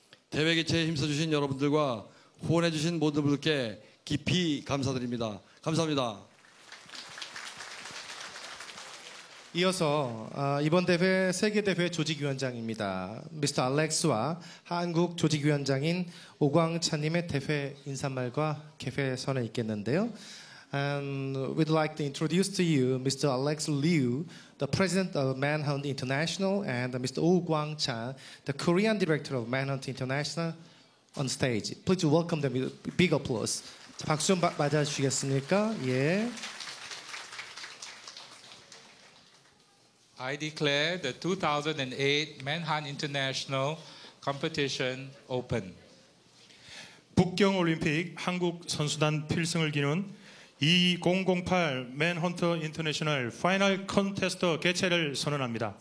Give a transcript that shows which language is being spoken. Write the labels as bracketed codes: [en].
[ko] 대회 개최에 힘써주신 여러분들과 후원해주신 모든 분들께 깊이 감사드립니다. 감사합니다. 이어서 이번 대회 세계대회 조직위원장입니다. 미스터 알렉스와 한국 조직위원장인 오광찬님의 대회 인사말과 개회선에 있겠는데요. [en] And we'd like to introduce to you Mr. Alex Liu, the President of Manhunt International, and Mr. Oh Gwang-chan, the Korean Director of Manhunt International, on stage. Please welcome them with big applause. [ko] 자, 박수 좀 맞아주시겠습니까? 예. [en] I declare the 2008 Manhunt International Competition open. [ko] 북경올림픽 한국 선수단 필승을 기는 2008 Manhunt International Final Contest 개최를 선언합니다.